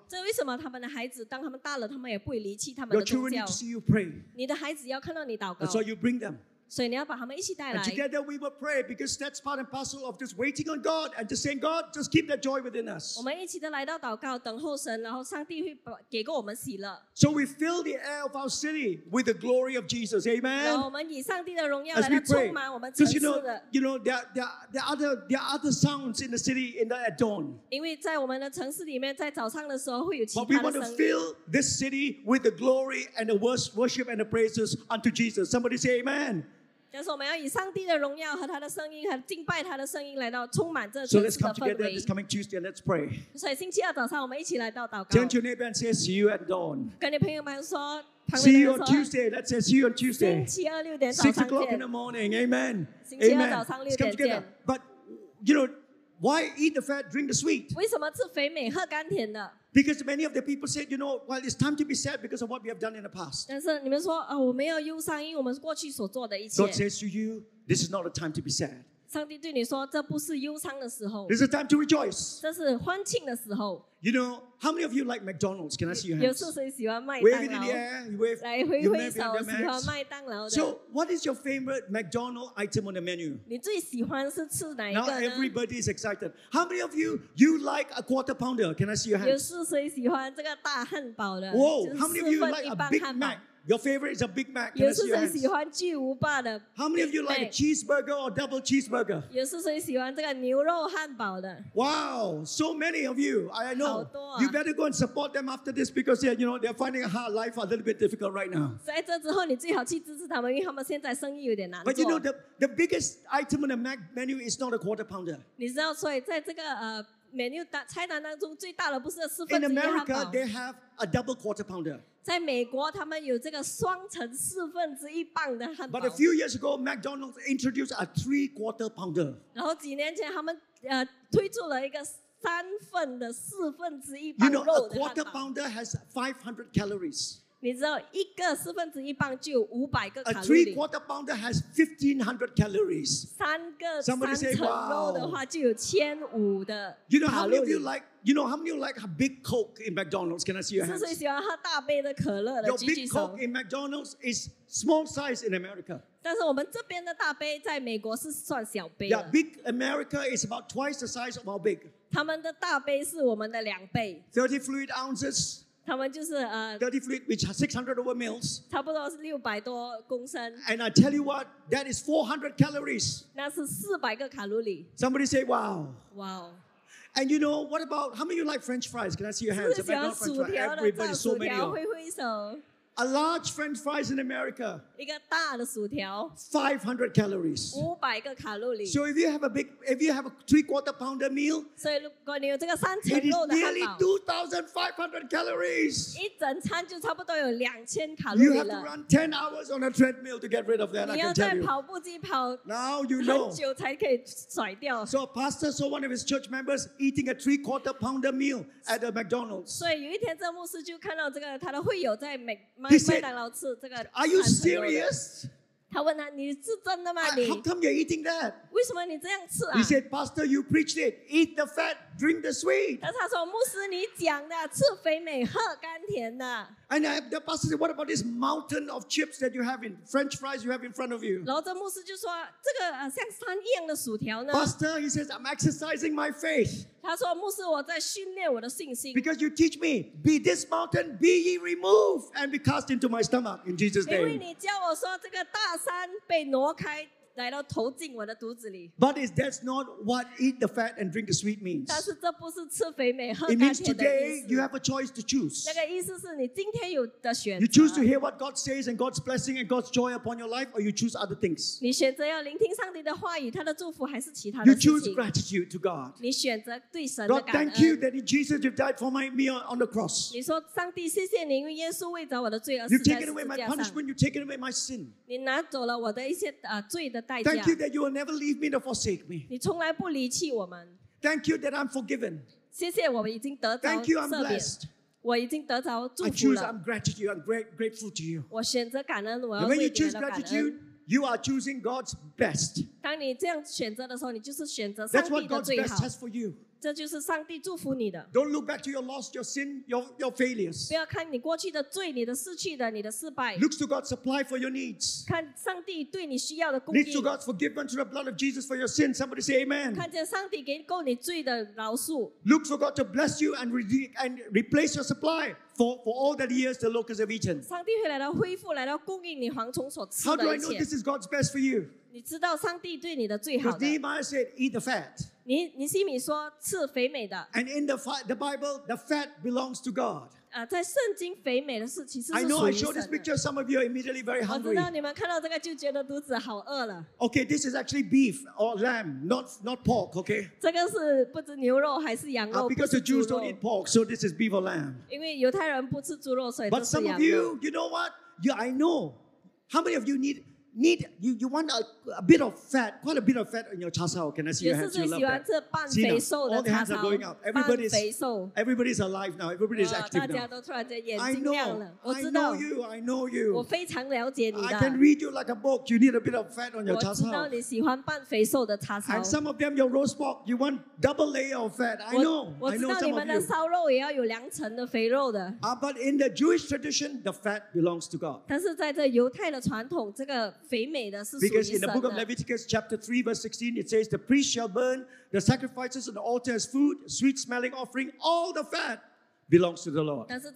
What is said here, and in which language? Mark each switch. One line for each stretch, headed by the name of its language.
Chinese: 这为什么他们的孩子当他们大了他们也不会离弃他们的宗教。
English: Your children need to see you pray.
Chinese: 你的孩子要看到你祷告。
English: That's why you bring them.
Chinese: 所以你要把他们一起带来。
English: And together we will pray because that's part and parcel of just waiting on God and just saying, God, just keep that joy within us.
Chinese: 我们一起的来到祷告，等候神，然后上帝会给过我们喜乐。
English: So we fill the air of our city with the glory of Jesus. Amen.
Chinese: 我们以上帝的荣耀来充满我们城市的。
English: Because you know, there are other sounds in the city in the at dawn.
Chinese: 因为在我们的城市里面，在早上的时候会有其他的声音。
English: But we want to fill this city with the glory and the worship and the praises unto Jesus. Somebody say, Amen.
Chinese: 就是我们要以上帝的荣耀和他的声音和敬拜他的声音来到充满这城市的氛围。
English: So let's come together this coming Tuesday and let's pray.
Chinese: 所以星期二早上我们一起来到祷告。
English: Turn to your neighbor and say, See you at dawn.
Chinese: 跟你朋友们说。
English: See you on Tuesday. Let's say see you on Tuesday.
Chinese: 星期二六点早上见。
English: 6 o'clock in the morning. Amen.
Chinese: 星期二早上六点见。
English: Let's come together. But you know, why eat the fat, drink the sweet?
Chinese: 为什么吃肥美喝甘甜的？
English: Because many of the people said, you know, well, it's time to be sad because of what we have done in the past.
Chinese: 但是你们说啊，我们要忧伤，因为我们过去所做的一切。
English: God says to you, this is not a time to be sad.
Chinese: 上帝对你说，这不是忧伤的时候。
English: This is a time to rejoice.
Chinese: 这是欢庆的时候。
English: You know, how many of you like McDonald's? Can I see your hands?
Chinese: 有是谁喜欢麦当劳？
English: Wave it in the air. You wave.
Chinese: 来挥挥手，喜欢麦当劳的。
English: So, what is your favorite McDonald's item on the menu?
Chinese: 你最喜欢是吃哪一个呢？
English: Now everybody is excited. How many of you like a quarter pounder? Can I see your hands?
Chinese: 有是谁喜欢这个大汉堡的？
English: Whoa! How many of you like a Big Mac? Your favorite is a Big Mac.
Chinese: 有是谁喜欢巨无霸的？
English: How many of you like a cheeseburger or double cheeseburger?
Chinese: 有是谁喜欢这个牛肉汉堡的？
English: Wow! So many of you, I know. You better go and support them after this because you know, they're finding a hard life a little bit difficult right now.
Chinese: 在这之后，你最好去支持他们，因为他们现在生意有点难做。
English: But you know, the biggest item on the Mac menu is not a quarter pounder.
Chinese: 你知道，所以在这个menu 菜单当中最大的不是四分之一汉堡。
English: In America, they have a double quarter pounder.
Chinese: 在美国，他们有这个双层四分之一磅的汉堡。
English: But a few years ago, McDonald's introduced a three quarter pounder.
Chinese: 然后几年前，他们推出了一个。三份的四分之一磅肉的
English: ，You know, a quarter pounder has 500 calories.
Chinese: 你知道一个四分之一磅就有五百个卡路里。
English: A three quarter pounder has 1500 calories.
Chinese: 三个三层肉的话就有千五的卡路里。
English: You know how many of you like? You know how many of you like a big Coke in McDonald's? Can I see your hands?
Chinese: 是谁喜欢喝大杯的可乐的？
English: Your big Coke in McDonald's is small size in America.
Chinese: 但是我们这边的大杯在美国是算小杯的。
English: Yeah, big America is about twice the size of our big.
Chinese: 他们的大杯是我们的两倍。
English: 30 fluid ounces.
Chinese: 他们就是
English: 30 fluid, which are 600 over mils.
Chinese: 差不多是600多公升。
English: And I tell you what, that is 400 calories.
Chinese: 那是400个卡路里。
English: Somebody say, wow. Wow. And you know, what about, how many of you like French fries? Can I see your hands? If I don't French fries, everybody, so many of you. A large French fries in America.
Chinese: 一个大的薯条。
English: 500 calories.
Chinese: 500个卡路里。
English: So if you have a big, if you have a three-quarter pounder meal,
Chinese: 所以如果你有这个三层肉的汉堡。
English: It is nearly 2,500 calories.
Chinese: 一整餐就差不多有2,000卡路里
English: 了。You have to run 10 hours on a treadmill to get rid of that.
Chinese: 你要在跑步机跑。
English: Now you know.
Chinese: 很久才可以甩掉。
English: So a pastor saw one of his church members eating a three-quarter pounder meal at a McDonald's.
Chinese: 所以有一天，这牧师就看到这个他的会友在
English: He said, Are you serious?
Chinese: 他问他你是真的吗你
English: How come you're eating that?
Chinese: 为什么你这样吃啊
English: He said, Pastor, you preached it. Eat the fat, drink the sweet.
Chinese: 但是他说牧师你讲的吃肥美喝甘甜的
English: And the pastor said, What about this mountain of chips that you have in French fries you have in front of you?
Chinese: 然后这牧师就说这个像山一样的薯条呢
English: Pastor, he says, I'm exercising my faith.
Chinese: 他说牧师我在训练我的信心
English: Because you teach me, be this mountain, be ye removed, and be cast into my stomach in Jesus' name.
Chinese: 因为你教我说这个大山被挪开来到投进我的肚子里
English: But that's not what eat the fat and drink the sweet means.
Chinese: 但是这不是吃肥美喝甘甜的意思
English: It means today you have a choice to choose.
Chinese: 那个意思是你今天有的选择
English: You choose to hear what God says and God's blessing and God's joy upon your life or you choose other things.
Chinese: 你选择要聆听上帝的话语他的祝福还是其他的事情
English: You choose gratitude to God.
Chinese: 你选择对神的感恩
English: God, thank you that in Jesus you've died for me on the cross.
Chinese: 你说上帝谢谢你因为耶稣为着我的罪而死在十字架
English: 上 You've taken away my punishment, you've taken away my sin.
Chinese: 你拿走了我的一些罪的
English: Thank you that you will never leave me nor forsake me.
Chinese: 你从来不离弃我们。
English: Thank you that I'm forgiven.
Chinese: 谢谢我已经得着赦免。
English: Thank you, I'm blessed.
Chinese: 我已经得着祝福了。
English: I choose I'm gratitude. I'm grateful to you.
Chinese: 我选择感恩，我要。
English: And when you choose gratitude, you are choosing God's best.
Chinese: 当你这样选择的时候，你就是选择上帝的最好。
English: That's what God's best has for you. Don't look back to your loss, your sin, your failures.
Chinese: 不要看你过去的罪、你的失败。
English: Look to God's supply for your needs.
Chinese: 看上帝对你需要的供应。
English: Look to God's forgiveness through the blood of Jesus for your sins. Somebody say amen.
Chinese: 看见上帝给够你罪的饶恕。
English: Look to God to bless you and replace your supply for all that years the locusts have eaten.
Chinese: 上帝会来到恢复，来到供应你蝗虫所吃的一切。
English: How do I know this is God's best for you?
Chinese: 你知道上帝对你的最好的。
English: Because Nehemiah said, eat the fat.
Chinese: 你西米说吃肥美的。
English: And in the Bible, the fat belongs to God.
Chinese: 在圣经肥美的是其实是属于神的。
English: I know I showed this picture. Some of you are immediately very hungry.
Chinese: 我知道你们看到这个就觉得肚子好饿了。
English: Okay, this is actually beef or lamb, not pork. Okay.
Chinese: 这个是不知牛肉还是羊肉。
English: Because the Jews don't eat pork, so this is beef or lamb.
Chinese: 因为犹太人不吃猪肉，所以这是羊肉。
English: But some of you, you know what? Yeah, I know. How many of you need you want a bit of fat, quite a bit of fat in your char siu. Can I see your hands? You love that. See now, all the hands are going up. Everybody's alive now. Everybody's active now. I know you. I can read you like a book. You need a bit of fat on your char siu. And some of them, your roast pork, you want double layer of fat. I know some of you. But in the Jewish tradition, the fat belongs to God.
Chinese: 但是在这犹太的传统，这个
English: Because in the book of Leviticus chapter 3 verse 16 it says the priest shall burn the sacrifices on the altar as food, sweet smelling offering, all the fat belongs to the Lord.